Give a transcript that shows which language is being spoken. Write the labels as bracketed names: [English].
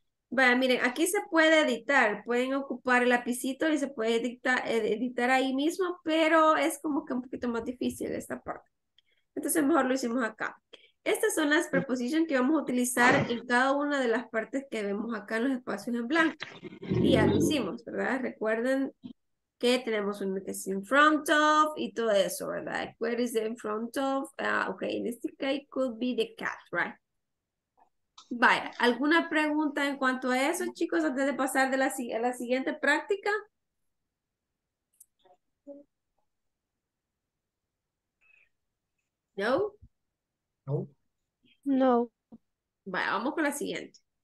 [Spanish] Vaya, miren, aquí se puede editar, pueden ocupar el lapicito y se puede editar ahí mismo, pero es como que un poquito más difícil esta parte. Entonces mejor lo hicimos acá. Estas son las prepositions que vamos a utilizar en cada una de las partes que vemos acá en los espacios en blanco. Y ya lo hicimos, ¿verdad? Recuerden que tenemos uno que es in front of y todo eso, ¿verdad? [English] Where is the in front of? Okay, in this case could be the cat, right? [Spanish] Vaya, ¿alguna pregunta en cuanto a eso, chicos, antes de pasar de la siguiente práctica? No. No. Vaya, vamos con la siguiente.